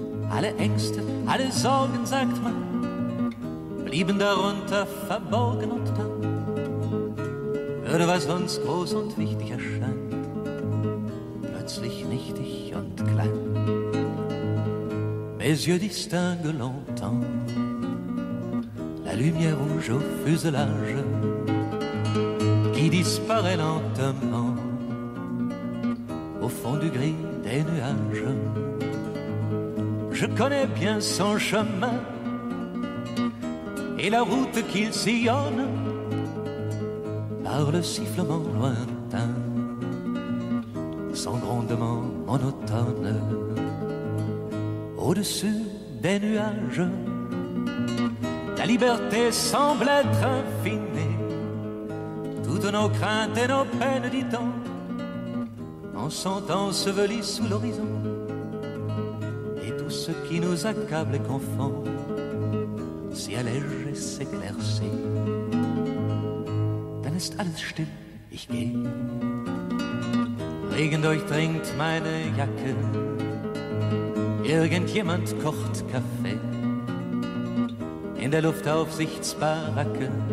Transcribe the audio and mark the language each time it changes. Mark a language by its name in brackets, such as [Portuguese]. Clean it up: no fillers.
[German] Alle Ängste, alle Sorgen, sagt man, blieben darunter verborgen. Und dann würde, was uns groß und wichtig erscheint, plötzlich nichtig und klein. [French] Mes yeux distinguent longtemps la lumière rouge au fuselage qui disparaît lentement au fond du gris des nuages. Je connais bien son chemin et la route qu'il sillonne par le sifflement lointain, son grondement monotone. Au-dessus des nuages, la liberté semble être infinie. Toutes nos craintes et nos peines, dit-on, en sont ensevelies sous l'horizon. Ce qui nous accable et confond s'y allège et s'éclaircit. [German] Dann ist alles still, ich geh. Regen durchdringt meine Jacke. Irgendjemand kocht Kaffee in der Luftaufsichtsbaracke.